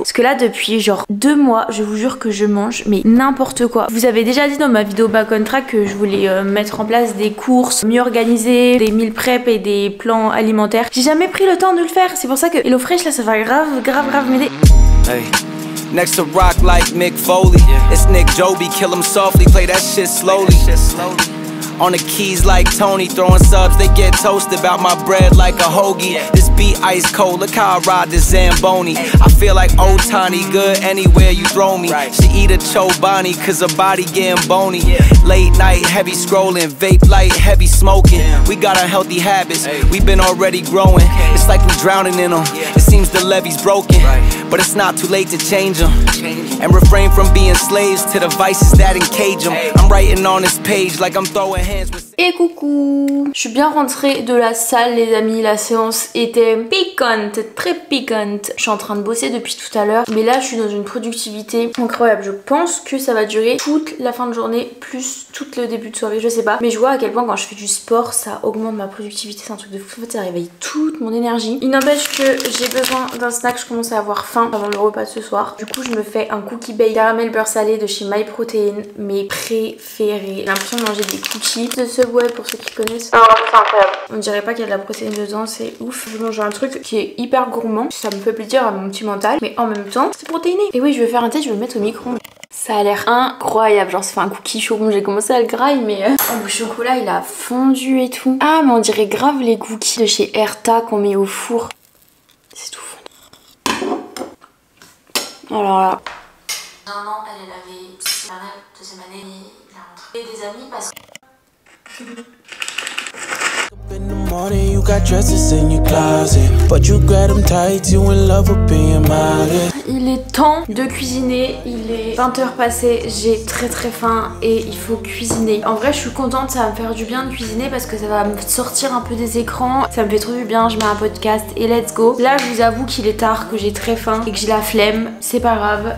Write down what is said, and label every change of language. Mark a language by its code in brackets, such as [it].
[fr] Parce que là, depuis genre 2 mois, je vous jure que je mange mais n'importe quoi. Vous avez déjà dit dans ma vidéo Back on Track que je voulais mettre en place des courses, mieux organiser des meal prep et des plans alimentaires. J'ai jamais pris le temps de le faire. C'est pour ça que HelloFresh, là, ça va grave m'aider. Hey. [en] Next to rock like Mick Foley, yeah. It's Nick Joby, kill him softly, play that shit slowly. That shit slowly. On the keys like Tony, throwing subs, they get toasted, about my bread like a hoagie. Yeah. This beat ice cold, look how I ride the Zamboni. Hey. I feel like Otani, good anywhere you throw me. Right. She eat a Chobani, cause her body getting bony. Yeah. Late night, heavy scrolling, vape light, heavy smoking. Damn. We got unhealthy habits, hey. We been already growing. Okay. It's like we drowning in them, yeah. It seems the levee's broken. Right. But it's not too late to change them. And refrain from being slaves to the vices that encage them. I'm writing on this page like I'm throwing hands with... [fr] Et coucou, je suis bien rentrée de la salle les amis, la séance était piquante, très piquante. Je suis en train de bosser depuis tout à l'heure, mais là je suis dans une productivité incroyable. Je pense que ça va durer toute la fin de journée, plus tout le début de soirée, je sais pas. Mais je vois à quel point quand je fais du sport, ça augmente ma productivité, c'est un truc de fou. En fait ça réveille toute mon énergie. Il n'empêche que j'ai besoin d'un snack, je commence à avoir faim avant le repas de ce soir. Du coup je me fais un cookie bake caramel beurre salé de chez MyProtein, mes préférés. J'ai l'impression de manger des cookies de ce Ouais, pour ceux qui connaissent. Non, c'est incroyable. On dirait pas qu'il y a de la protéine dedans, c'est ouf. Je mange un truc qui est hyper gourmand. Ça me fait plaisir à mon petit mental, mais en même temps, c'est protéiné. Et oui, je vais faire un test, je vais le mettre au micro. Ça a l'air incroyable. Genre, c'est fait un cookie chaud. Bon, j'ai commencé à le grailler, mais. Oh, le chocolat, il a fondu et tout. Ah, mais on dirait grave les cookies de chez Erta qu'on met au four. C'est tout fondu. Alors là. Non, elle est lavée. La deuxième année, il a rentré. Et des amis parce que. [en] In the morning, you got dresses in your closet, but you grab them tight, you in love with being modest. [fr] Il est temps de cuisiner, il est 20h passées, j'ai très faim et il faut cuisiner. En vrai je suis contente, ça va me faire du bien de cuisiner parce que ça va me sortir un peu des écrans. Ça me fait trop du bien, je mets un podcast et [en] let's go. [fr] Là je vous avoue qu'il est tard, que j'ai très faim et que j'ai la flemme, c'est pas grave.